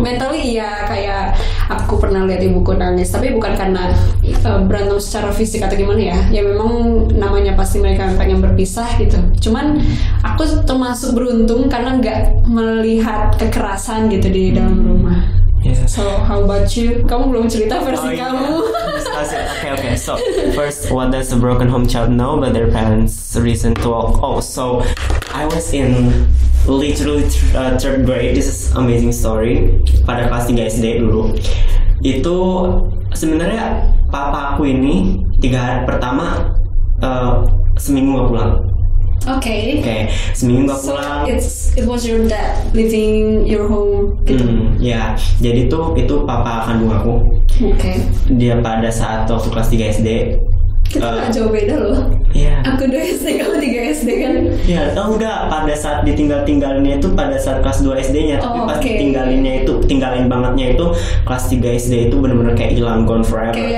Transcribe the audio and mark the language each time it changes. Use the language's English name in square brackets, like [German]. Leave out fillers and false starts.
[Indonesian] Mentally ya kayak aku pernah lihat ibuku nangis tapi bukan karena berantem secara fisik atau gimana ya. Ya memang namanya pasti mereka pengen berpisah gitu. Cuman aku termasuk beruntung karena nggak melihat kekerasan gitu di dalam rumah. [English] Yes. So how about you? [Indonesian] Kamu belum cerita versi kamu. [English] Okay. So first, what does a broken home child know about their parents' reason to walk? Oh, so I was in literally third grade. This is amazing story. [Indonesian] Pada kelas 3 SD dulu, itu sebenarnya papaku ini 3 hari pertama seminggu gak pulang. [English] Okay. [Indonesian] Seminggu gak pulang. [English] It was your dad living your home. [Indonesian] Gitu. Jadi tuh itu papa kandung aku. [English] Okay. [Indonesian] Dia pada saat waktu kelas 3 SD. Kita gak jauh beda loh. Iya. Aku 2 SD, kamu 3 SD kan? Iya, tau gak pada saat ditinggal-tinggalinnya itu pada saat kelas 2 SD-nya. Oh, tapi pas [English] okay. [Indonesian] Ditinggalinnya itu, tinggalin bangetnya itu kelas 3 SD itu benar-benar kayak hilang, [English] gone forever.